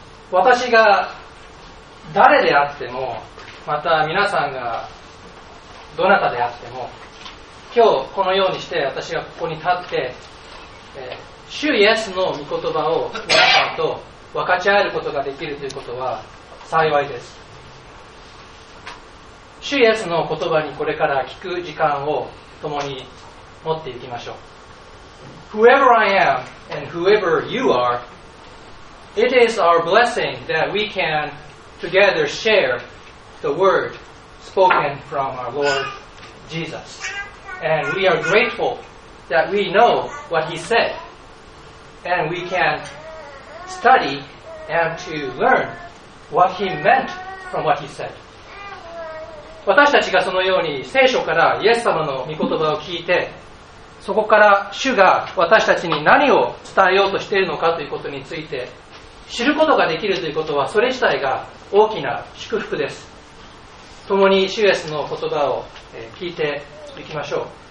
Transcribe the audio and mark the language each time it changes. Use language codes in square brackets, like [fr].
[ja] 私が誰であっても、また皆さんがどなたであっても、今日このようにして私がここに立って、主イエスの御言葉を皆さんと分かち合えることができるということは幸いです。主イエスの言葉にこれから聞く時間を共に持っていきましょう。 [en] Whoever I am and whoever you are, it is our blessing that we can together share the word spoken from our Lord Jesus. And we are grateful that we know what he said. And we can study and to learn what he meant from what he said. [ja] 私たちがそのように聖書からイエス様の御言葉を聞いて、そこから主が私たちに何を伝えようとしているのかということについて知ることができるということは、それ自体が大きな祝福です。共に主イエスの言葉を聞いていきましょう。